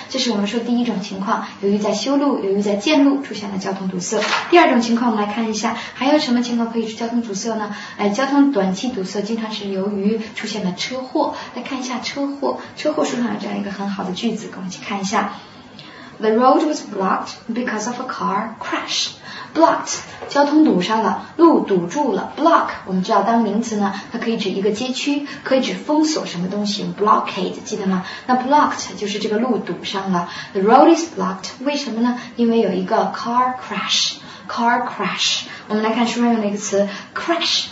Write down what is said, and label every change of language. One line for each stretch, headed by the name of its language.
Chinese: 这是我们说第一种情况，由于在修路，由于在建路出现了交通堵塞。第二种情况，我们来看一下还有什么情况可以是交通堵塞呢？交通短期堵塞经常是由于出现了车祸。来看一下车祸，车祸书上有这样一个很好的句子，跟我们去看一下。
English: The road was blocked because of a car crash.
Chinese: Blocked, 交通堵上了，路堵住了。 Block, 我们知道当名词呢，它可以指一个街区，可以指封锁什么东西。 Blockade, 记得吗？那 blocked 就是这个路堵上了。
English: The road is blocked,
Chinese: 为什么呢？因为有一个
English: car crash.
Chinese: Car crash， 我们来看书上用的一个词 crash。